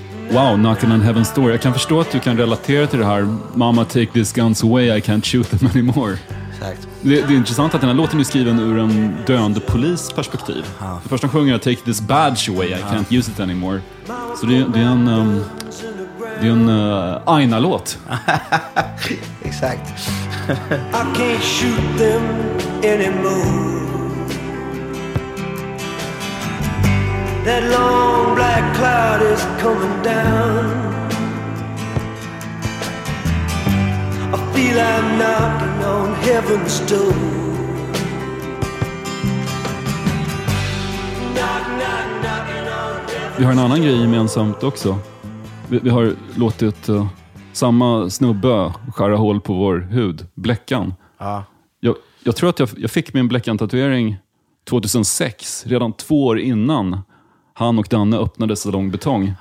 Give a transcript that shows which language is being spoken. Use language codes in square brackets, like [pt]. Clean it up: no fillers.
[sv] Wow, Knockin' on Heaven's Door. Jag kan förstå att du kan relatera till det här. [en] Mama, take these guns away, I can't shoot them anymore. [sv] Exakt. Det är intressant att den här låten är skriven ur en döende polisperspektiv. Ja. Först han sjunger, [en] take this badge away, I can't use it anymore. [sv] Så det är en... det är en Aina-låt. Exakt. [en] I can't shoot them anymore. That long black cloud is coming down. I feel I'm knocking on heaven's door. Knock, knock, knocking on heaven's. [sv] Vi har en annan grej gemensamt också. Vi har låtit samma snubbe skära hål på vår hud, bläckan. Ja. Jag tror att jag fick min bläckan-tatuering 2006, redan 2 år innan han och Danne öppnade Salong Betong.